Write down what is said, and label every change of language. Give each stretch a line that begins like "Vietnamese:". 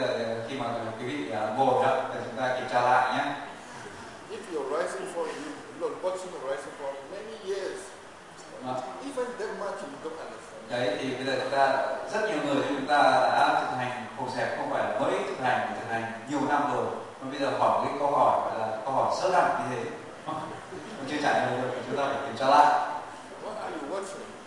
Vietnamese: bây giờ khi mà quý vị ngồi đó thì chúng ta kiểm tra lại nhé.
English: If you're rising for you, you're watching the rising for many years. À. Even that much you don't understand.
Vietnamese: Đấy thì bây giờ chúng ta rất nhiều người chúng ta đã thực hành khổ xẹp không phải mới thực hành nhiều năm rồi. Mà bây giờ hỏi cái câu hỏi là câu hỏi sơ đẳng như thế. Mà chưa trả lời được thì chúng ta phải kiểm tra lại.
English: What are you watching?